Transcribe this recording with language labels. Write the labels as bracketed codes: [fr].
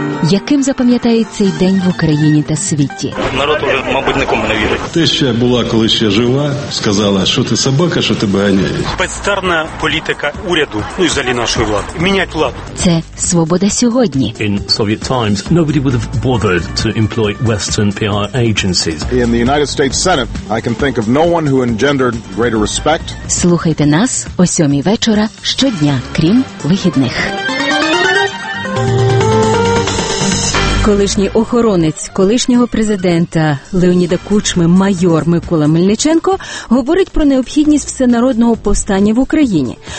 [uk] Яким запам'ятається цей день в Україні та світі? Народ уже, мабуть, нікому не вірить. Те, що була, коли ще жива, сказала, що ти собака, що тебе ганяють. Безцарна політика уряду, ну і взагалі нашої влади. Міняти владу. Це «Свобода сьогодні». [en] In Soviet times, nobody would have bothered to employ Western PR agencies. In the United States Senate, I can think of no one who engendered greater respect. [uk] Слухайте нас о 7 вечора щодня, крім вихідних. Колишній охоронець колишнього президента Леоніда Кучми майор Микола Мельниченко говорить про необхідність всенародного повстання в Україні.